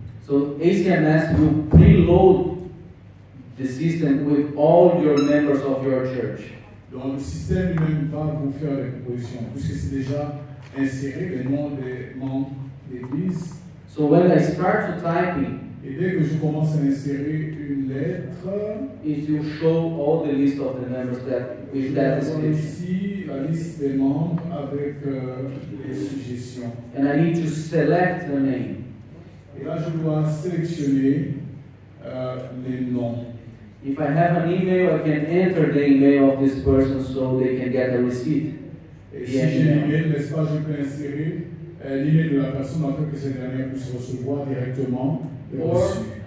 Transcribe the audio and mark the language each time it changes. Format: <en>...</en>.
<en>So ACMS will preload the system with all your members of your church.</en> <fr>Donc le système lui-même va vous faire les propositions, puisque c'est déjà inséré les noms des membres d'église.</fr> <en>So when I start to typing,</en> <fr>et dès que je commence à insérer une lettre,</fr> <en>it will show all the list of the members that with that description.</en> <fr>Ici la liste des membres avec les suggestions.</fr> <en>And I need to select the name.</en> <fr>Et là je dois sélectionner les noms.</fr> <en>If I have an email, I can enter the email of this person so they can get a receipt.</en> <fr>Et si j'ai l'email, n'est-ce pas, je peux insérer l'email de la personne afin que cette dernière puisse recevoir directement le reçu.</fr>